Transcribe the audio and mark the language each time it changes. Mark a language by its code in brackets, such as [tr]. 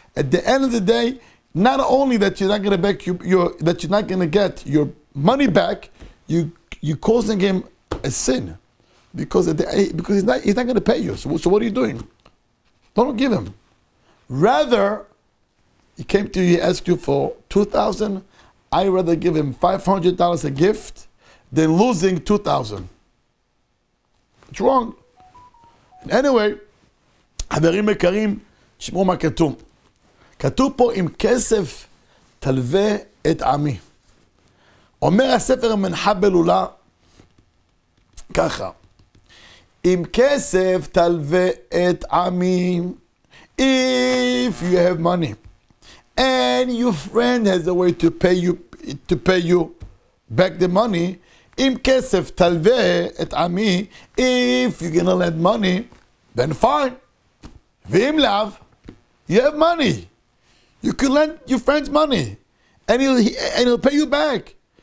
[en] At the end of the day, not only that you're not going to back your that you're not going to get your money back, You're causing him a sin because he's not going to pay you. So what are you doing? Don't give him. Rather, he came to you, he asked you for $2,000. I'd rather give him $500 a gift than losing $2,000. It's wrong. [he] Anyway, חברים יקרים, תשמעו מה כתוב. כתוב פה, אם כסף תלווה את עמי. אומר הספר מנחה בלולה ככה, אם כסף תלווה את עמי, [en] if you have money, and your friend has a way to pay you back the money. [he] Im kesef talve et ami, [en] if you're gonna lend money, then fine. [he] Vim lav, [en] you have money. You can lend your friend's money, and he'll pay you back.